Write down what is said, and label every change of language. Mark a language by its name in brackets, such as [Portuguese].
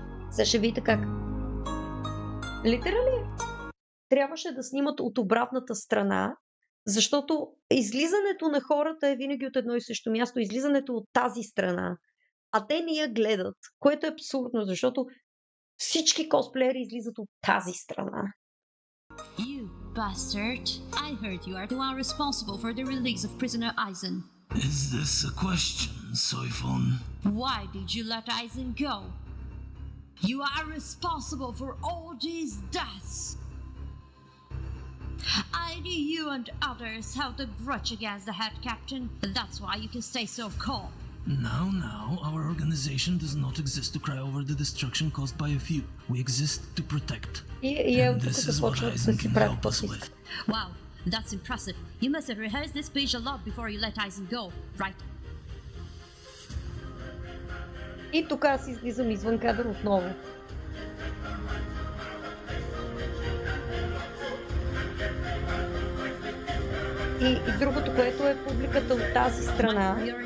[Bulgarian] Сега ще видите как. Литерали? Трябваше да снимат от обратната страна, защото излизането на хората е винаги от едно и също място, излизането от тази страна, а те не я гледат, което е абсурдно, защото всички косплеери излизат от тази страна. [English] You bastard! I heard you are the one responsible for the release of prisoner Aizen. Is this a question, Soifon? Why did you let Aizen go? You are responsible for all these deaths! I knew you and others held a grudge against the head captain. That's why you can stay so calm. Now, our organization does not exist to cry over the destruction caused by a few. We exist to protect. And this is what Aizen can help us with. Wow, that's impressive. You must have rehearsed this speech a lot before you let Aizen go, right? [Bulgarian] И тук аз излизам извън кадър отново. И другото, което е публиката от тази страна.